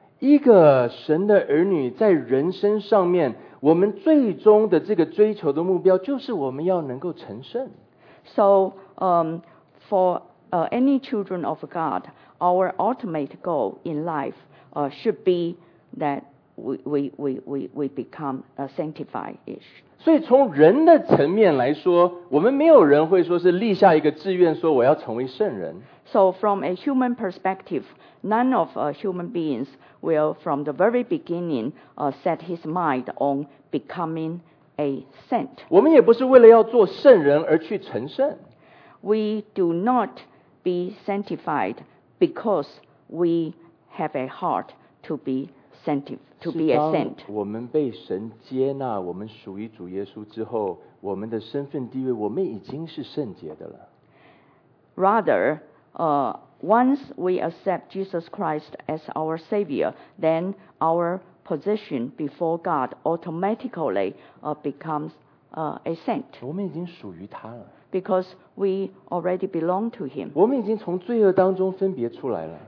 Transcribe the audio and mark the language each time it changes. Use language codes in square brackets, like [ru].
[zh] 一个神的儿女在人生上面我们最终的这个追求的目标就是我们要能够成圣。 [en] So, for any children of God, our ultimate goal in life should be that we become sanctified-ish. [zh] 所以从人的层面来说，我们没有人会说是立下一个志愿说我要成为圣人。 [en] So from a human perspective, none of human beings will from the very beginning set his mind on becoming a saint. [zh] 我们也不是为了要做圣人而去成圣。 [en] We do not be sanctified because we have a heart to be sanctified, to be a saint. [zh] 我们被神接纳，我们属于主耶稣之后，我们的身份地位，我们已经是圣洁的了。 [en] Rather, once we accept Jesus Christ as our Savior, then our position before God automatically becomes a saint. [zh] 我们已经属于他了。 [en] Because we already belong to him. [zh] 我们已经从罪恶当中分别出来了。